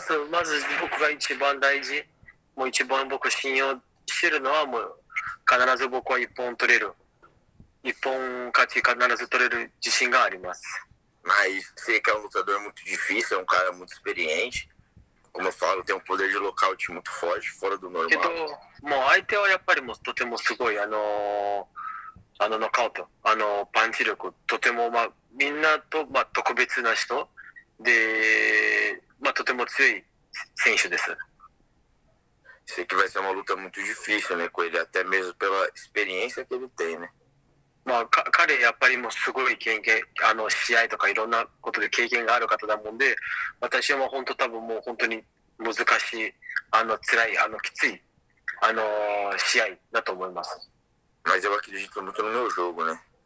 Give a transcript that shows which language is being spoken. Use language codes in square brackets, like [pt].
[pt] Mas, [ja] 僕が一番大事、もう一番僕信用してるのは、もう必ず僕は一本取れる。一本勝ち必ず取れる自信があります。 [pt] Mas, sei que é um lutador muito difícil, é um cara muito experiente. Como eu falo, tem poder de nocaute muito forte, fora do normal. [ja] もう相手はやっぱりもとてもすごい、ノカウト、パンチ力、とても、まあ、みんなと、まあ、特別な人で、まあ、とても強い選手です。 [pt] Sei que vai ser uma luta muito difícil, né, com ele, até mesmo pela experiência que ele tem, né? [ja] まあ、彼やっぱりもすごい経験、試合とかいろんなことで経験がある方だもんで、私は本当多分もう本当に難しい、辛い、きつい、試合だと思います。 [pt] Mas eu acredito muito no meu jogo, né?